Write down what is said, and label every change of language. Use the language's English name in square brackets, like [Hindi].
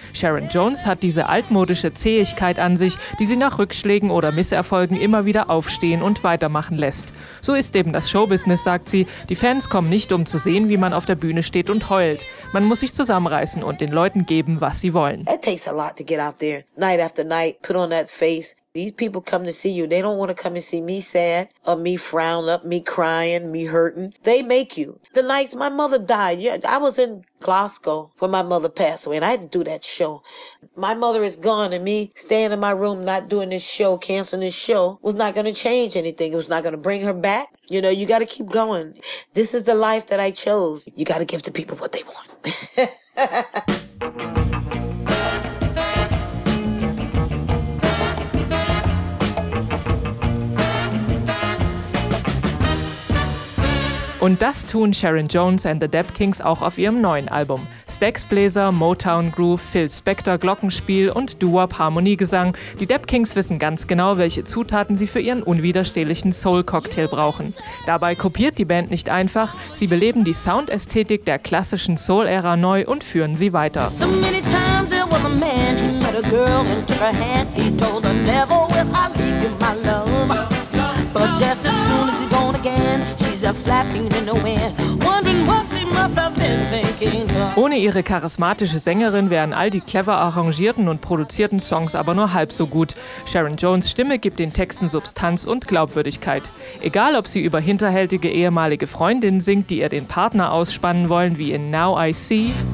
[German] Sharon Jones hat diese altmodische Zähigkeit an sich, die sie nach Rückschlägen oder Misserfolgen immer wieder aufstehen und weitermachen lässt. So ist eben das Showbusiness, sagt sie. Die Fans kommen nicht, um zu sehen, wie man auf der Bühne steht und heult. Man muss sich zusammenreißen und den Leuten geben, was sie wollen. [English] It takes a lot to get out there, night after night, put on that face. These people come to see you. They don't want to come and see me sad or me frown up, me crying, me hurting. They make you. The nights my mother died, yeah, I was in Glasgow when my mother passed away and I had to do that show. My mother is gone and me staying in my room not doing this show, canceling this show, was not going to change anything. It was not going to bring her back. You know, you got to keep going. This is the life that I chose. You got to give the people what they want. [German] Und das tun Sharon Jones and the Dap Kings auch auf ihrem neuen Album. Stax Blazer, Motown Groove, Phil Spector Glockenspiel und Doo-Wop Harmoniegesang. Die Dap Kings wissen ganz genau, welche Zutaten sie für ihren unwiderstehlichen Soul-Cocktail brauchen. Dabei kopiert die Band nicht einfach, sie beleben die Soundästhetik der klassischen Soul-Ära neu und führen sie weiter. [English] So many times there was a man, he met a girl and took her hand. He told her never will I leave you, my love. But just as soon as he's gone again, flapping in the wind. [German] Ohne ihre charismatische Sängerin wären all die clever arrangierten und produzierten Songs aber nur halb so gut. Sharon Jones' Stimme gibt den Texten Substanz und Glaubwürdigkeit. Egal, ob sie über hinterhältige ehemalige Freundinnen singt, die ihr den Partner ausspannen wollen, wie in Now I See.